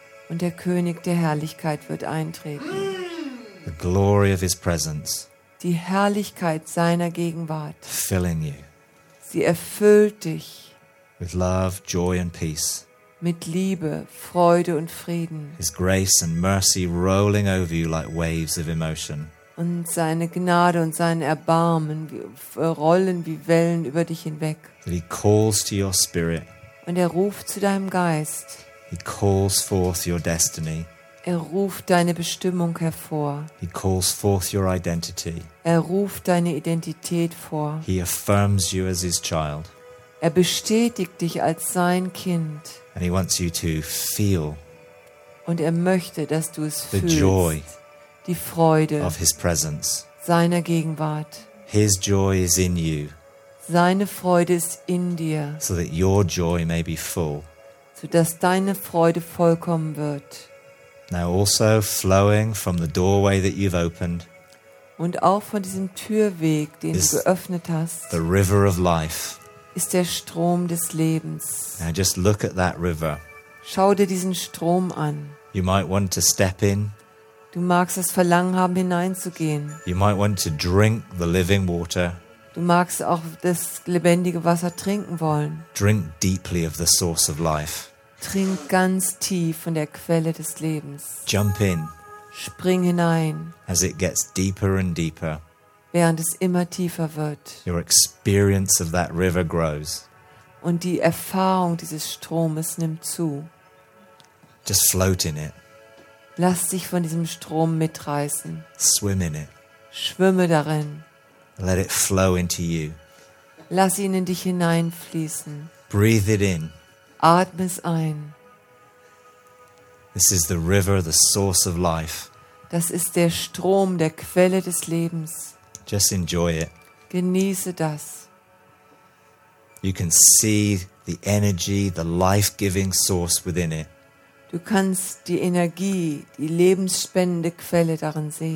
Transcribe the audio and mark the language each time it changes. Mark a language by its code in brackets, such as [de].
[de] Und der König der Herrlichkeit wird eintreten. [en] The glory of his presence. [de] Die Herrlichkeit seiner Gegenwart. [en] Filling you. [de] Sie erfüllt dich. [en] With love, joy and peace. [de] Mit Liebe, Freude und Frieden. [en] His grace and mercy rolling over you like waves of emotion. [de] Und seine Gnade und sein Erbarmen rollen wie Wellen über dich hinweg. [en] That he calls to your spirit. [de] Und er ruft zu deinem Geist. [en] He calls forth your destiny. [de] Er ruft deine Bestimmung hervor. [en] He calls forth your identity. [de] Er ruft deine Identität vor. [en] He affirms you as his child. [de] Er bestätigt dich als sein Kind. [en] And he wants you to feel. [de] Und er möchte, dass du es [en] the [de] fühlst. [en] Joy [de] die Freude [en] of his presence. [de] Seiner Gegenwart. [en] His joy is in you. [de] Seine Freude ist in dir. [en] So that your joy may be full. [de] So dass deine Freude vollkommen wird. [en] Now also flowing from the doorway that you've opened. [de] Und auch von diesem Türweg, den du geöffnet hast. [en] The river of life. [de] Ist der Strom des Lebens. [en] Now just look at that river. [de] Schau dir diesen Strom an. [en] You might want to step in. [de] Du magst das Verlangen haben, hineinzugehen. [en] You might want to drink the living water. [de] Du magst auch das lebendige Wasser trinken wollen. [en] Drink deeply of the source of life. [de] Trink ganz tief von der Quelle des Lebens. [en] Jump in. [de] Spring hinein. [en] As it gets deeper and deeper. [de] Während es immer tiefer wird. [en] Your experience of that river grows. [de] Und die Erfahrung dieses Stromes nimmt zu. [en] Just float in it. [de] Lass dich von diesem Strom mitreißen. [en] Swim in it. [de] Schwimme darin. [en] Let it flow into you. [de] Lass ihn in dich hineinfließen. [en] Breathe it in. [de] Atme es ein. [en] This is the river, the source of life. [de] Das ist der Strom, der Quelle des Lebens. [en] Just enjoy it. [de] Genieße das. [en] You can see the energy, the life-giving source within it. [de] Du kannst die Energie, die lebensspendende Quelle darin sehen.